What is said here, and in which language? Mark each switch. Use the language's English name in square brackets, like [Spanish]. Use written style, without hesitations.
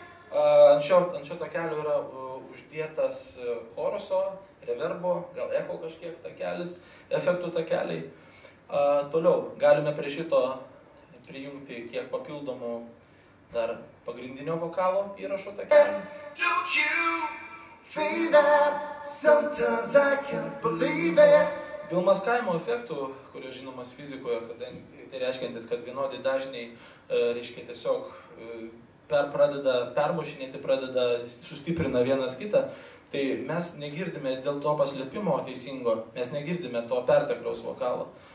[Lithuanian] Ant šio takelio yra uždėtas choruso, reverbo, gal echo kažkiek takelis, efektų takeliai. Toliau, galime prie šito prijungti kiek papildomų dar pagrindinio vokalo įrašo takelį. [English] Don't you feel that sometimes I can't believe it. [Lithuanian] Dėl maskavimo efektų, kurios žinomas fizikoje, tai reiškiantis, kad vienodai dažniai, reiškia, tiesiog pradeda sustiprina vienas kitą, tai mes negirdime dėl to paslėpimo teisingo, mes negirdime to pertekliaus vokalo.